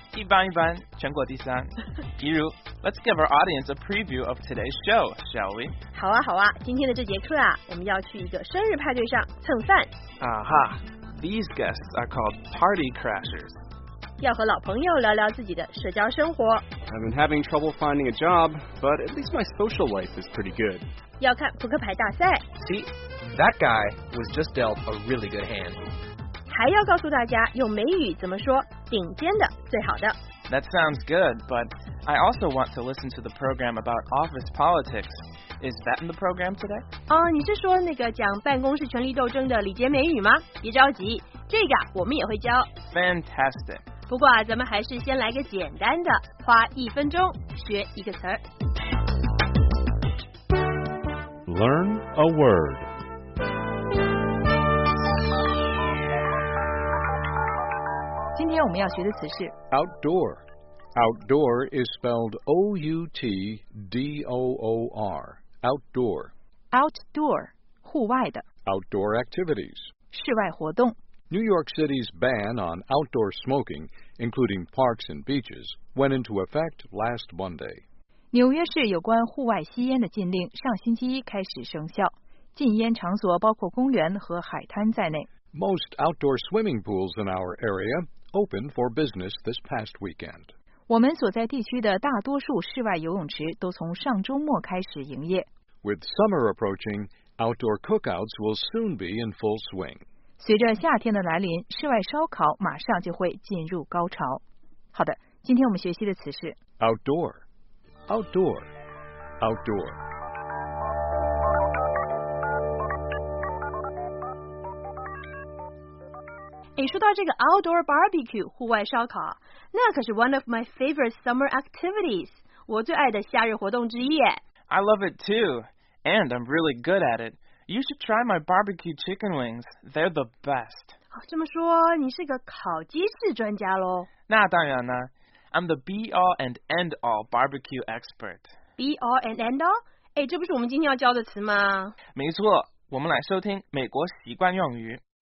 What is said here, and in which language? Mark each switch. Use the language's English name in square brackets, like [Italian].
[Chinese] 一般一般，全国第三。比如， [English] Let's give our audience a preview of today's show, shall we? [Chinese] 好啊，好啊，今天的这节课啊，我们要去一个生日派对上蹭饭。 [English] 啊哈，These guests are called party crashers. [Chinese] 要和老朋友聊聊自己的社交生活。 [English] I've been having trouble finding a job, but at least my social life is pretty good. [Chinese] 要看扑克牌大赛。 [English] See, that guy was just dealt a really good hand. [Chinese] 还要告诉大家用美语怎么说顶尖的、最好的。 [English] That sounds good, but I also want to listen to the program about office politics. Is that in the program today? [Chinese] 哦，你是说那个讲办公室权力斗争的礼节美语吗？别着急，这个我们也会教。 [English] Fantastic. [Chinese] 不过啊，咱们还是先来个简单的，花一分钟学一个词儿。 [English] Learn a word. Today we're going to learn the word outdoor. Outdoor is spelled O-U-T-D-O-O-R. Outdoor. [Chinese] Outdoor, 户外的。 [English] Outdoor activities. [Chinese] 室外活动。 [English] New York City's ban on outdoor smoking, including parks and beaches, went into effect last Monday. [Chinese] 纽约市有关户外吸烟的禁令上星期一开始生效，禁烟场所包括公园和海滩在内。 [English] Most outdoor swimming pools in our area opened for business this past weekend. [Chinese] 我们所在地区的大多数室外游泳池都从上周末开始营业。 [English] With summer approaching, outdoor cookouts will soon be in full swing. [Chinese] 随着夏天的来临，室外烧烤马上就会进入高潮。好的，今天我们学习的词是 [English] outdoor, outdoor, outdoor。 [Chinese] 哎，说到这个 [English] outdoor barbecue [Chinese] 户外烧烤，那可是 [English] one of my favorite summer activities， [Chinese] 我最爱的夏日活动之一。 [English] I love it too, and I'm really good at it. You should try my barbecue chicken wings. They're the best. [Chinese] 这么说，你是个烤鸡翅专家咯。那当然呢。 [English] I'm the be-all and end-all barbecue expert. Be-all and end-all? [Chinese] 哎，这不是我们今天要教的词吗？没错，我们来收听美国习惯用语。